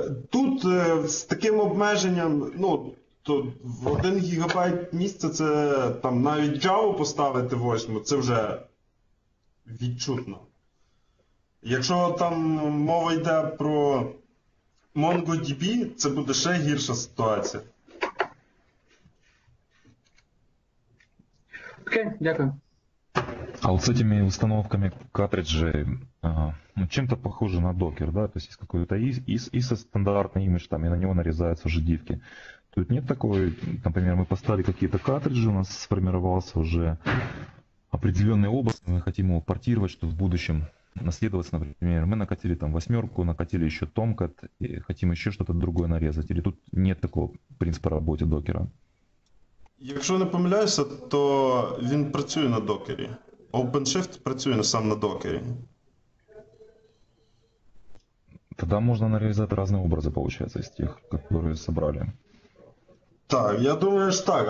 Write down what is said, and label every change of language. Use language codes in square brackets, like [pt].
[uk] Тут з таким обмеженням, ну, то в 1 гігабайт місця це там навіть Java поставити 8, це вже відчутно. Якщо там мова йде про MongoDB, це буде ще гірша ситуація. Окей, дякую. [ru] А вот с этими установками картриджей, ну, чем-то похоже на докер, да? То есть есть какой-то ISO стандартный имидж, там, и на него нарезаются уже дивки. Тут нет такой, например, мы поставили какие-то картриджи, у нас сформировался уже определенный образ, мы хотим его портировать, чтобы в будущем наследоваться, например, мы накатили там восьмерку, накатили еще Tomcat, и хотим еще что-то другое нарезать. Или тут нет такого принципа работы докера? [uk] Якщо не помиляюся, то він працює на докері. OpenShift працює сам на докері. Тоді можна нарізати різні образи, виходить, з тих, які зібрали. Так, я думаю, що так.